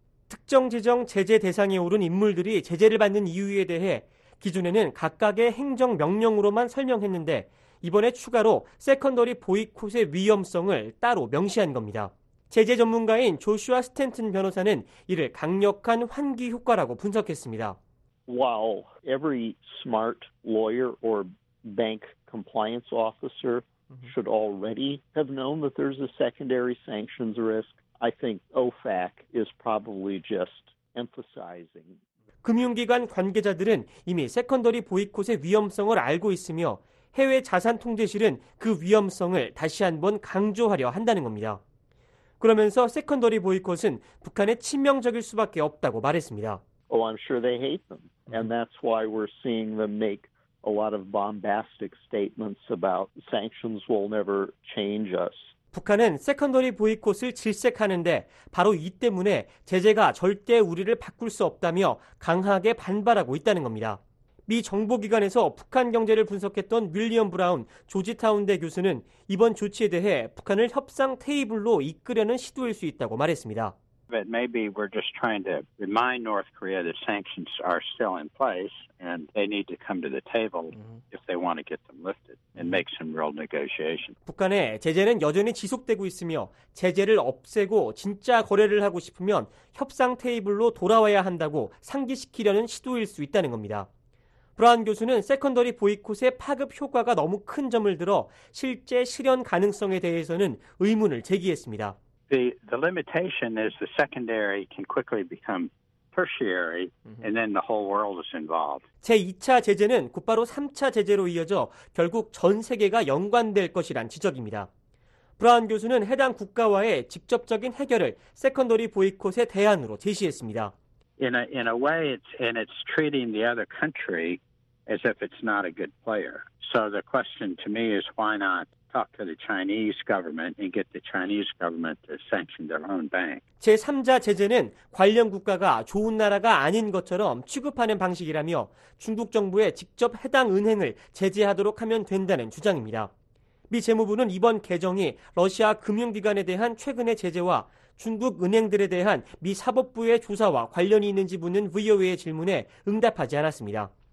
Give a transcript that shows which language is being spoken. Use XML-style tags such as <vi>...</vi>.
<ko>특정 재정 제재 대상에 오른 인물들이 제재를 받는 이유에 대해 기존에는 각각의 행정 명령으로만 설명했는데 이번에 추가로 세컨더리 보이콧의 위험성을 따로 명시한 겁니다. 제재 전문가인 조슈아 스탠튼 변호사는 이를 강력한 환기 효과라고 분석했습니다.</ko> <en>Wow, every smart lawyer or bank compliance officer should already have known that there's a secondary sanctions risk. I think OFAC is probably just emphasizing.</en> <ko>금융기관 관계자들은 이미 세컨더리 보이콧의 위험성을 알고 있으며 해외 자산 통제실은 그 위험성을 다시 한번 강조하려 한다는 겁니다. 그러면서 세컨더리 보이콧은 북한에 치명적일 수밖에 없다고 말했습니다.</ko> <en>Oh, I'm sure they hate them. And that's why we're seeing them make a lot of bombastic statements about sanctions will never change us.</en> <ko>북한은 세컨더리 보이콧을 질색하는데 바로 이 때문에 제재가 절대 우리를 바꿀 수 없다며 강하게 반발하고 있다는 겁니다. 미 정보기관에서 북한 경제를 분석했던 윌리엄 브라운 조지타운대 교수는 이번 조치에 대해 북한을 협상 테이블로 이끌려는 시도일 수 있다고 말했습니다.</ko> <en>But maybe we're just trying to remind North Korea that sanctions are still in place and they need to come to the table if they want to get them lifted and make some real negotiation.</en> <ko>북한의 제재는 여전히 지속되고 있으며 제재를 없애고 진짜 거래를 하고 싶으면 협상 테이블로 돌아와야 한다고 상기시키려는 시도일 수 있다는 겁니다. 브라운 교수는 세컨더리 보이콧의 파급 효과가 너무 큰 점을 들어 실제 실현 가능성에 대해서는 의문을 제기했습니다.</ko> <en>The limitation is the secondary can quickly become tertiary and then the whole world is involved.</en> <ko>제2차 제재는 곧바로 3차 제재로 이어져 결국 전 세계가 연관될 것이란 지적입니다. 브라운 교수는 해당 국가와의 직접적인 해결을 세컨더리 보이콧의 대안으로 제시했습니다.</ko> <en>In a way it's treating the other country as if it's not a good player. So the question to me is why not talk to the Chinese government and get the Chinese government to sanction their own bank.</en> <ko>제3자 제재는 관련 국가가 좋은 나라가 아닌 것처럼 취급하는 방식이라며 중국 정부에 직접 해당 은행을 제재하도록 하면 된다는 주장입니다. 미 재무부는 이번 개정이 러시아 금융기관에 대한 최근의 제재와 중국 은행들에 대한 미 사법부의 조사와 관련이 있는지 묻는 VOA의 질문에 응답하지 않았습니다.</ko>